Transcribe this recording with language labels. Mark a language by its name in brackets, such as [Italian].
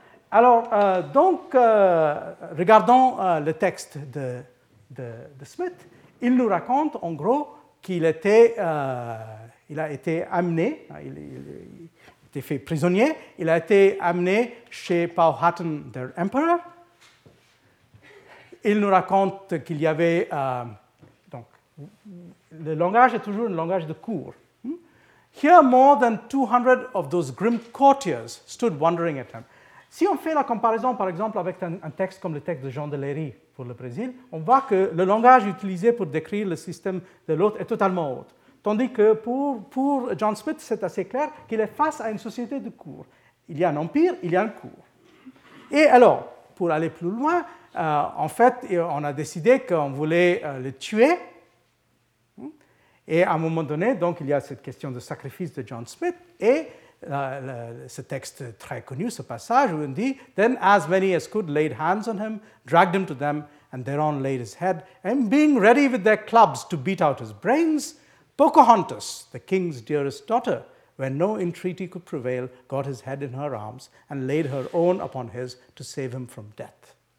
[French] Alors, regardons le texte de Smith, il nous raconte en gros qu'il a été amené, été fait prisonnier. Il a été amené chez Powhatan, [English] the emperor. [French] Il nous raconte qu'il y avait... donc, le langage est toujours un langage de cour. [English] Here more than 200 of those grim courtiers stood wondering at him. [French] Si on fait la comparaison, par exemple, avec un texte comme le texte de Jean de Léry pour le Brésil, on voit que le langage utilisé pour décrire le système de l'autre est totalement autre. Tandis que pour John Smith, c'est assez clair qu'il est face à une société de cour. Il y a un empire, il y a un cour. Et alors, pour aller plus loin, en fait, on a décidé qu'on voulait le tuer. Et à un moment donné, donc, il y a cette question de sacrifice de John Smith et ce texte très connu, ce passage où on dit [English] « Then as many as could laid hands on him, dragged him to them, and thereon laid his head, and being ready with their clubs to beat out his brains, Pocahontas, the king's dearest daughter, when no entreaty could prevail, got his head in her arms and laid her own upon his to save him from death.